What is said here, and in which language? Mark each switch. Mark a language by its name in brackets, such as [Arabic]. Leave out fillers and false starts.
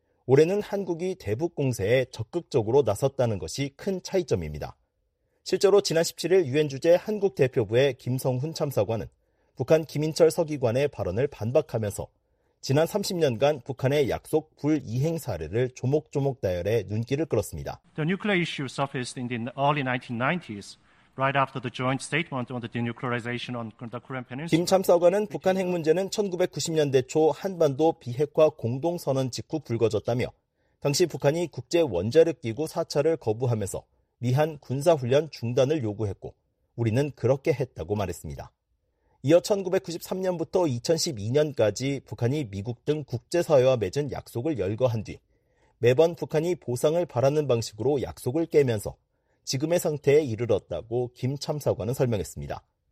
[Korean] 올해는 한국이 대북 공세에 적극적으로 나섰다는 것이 큰 차이점입니다. 실제로 지난 17일 유엔 주재 한국 대표부의 김성훈 참사관은 북한 김인철 서기관의 발언을 반박하면서 지난 30년간 북한의 약속 불이행 사례를 조목조목 나열해 눈길을 끌었습니다. [English] The nuclear issue surfaced in the early 1990s. Right after the joint statement on the denuclearization on the Korean Peninsula. [Korean] 김 참사관은 북한 핵 문제는 1990년대 초 한반도 비핵화 공동선언 직후 불거졌다며 당시 북한이 국제원자력기구 4차를 거부하면서 미한 군사훈련 중단을 요구했고 우리는 그렇게 했다고 말했습니다. 이어 1993년부터 2012년까지 북한이 미국 등 국제사회와 맺은 약속을 열거한 뒤 매번 북한이 보상을 바라는 방식으로 약속을 깨면서 지금의 상태에 이르렀다고 김 참사관은 설명했습니다.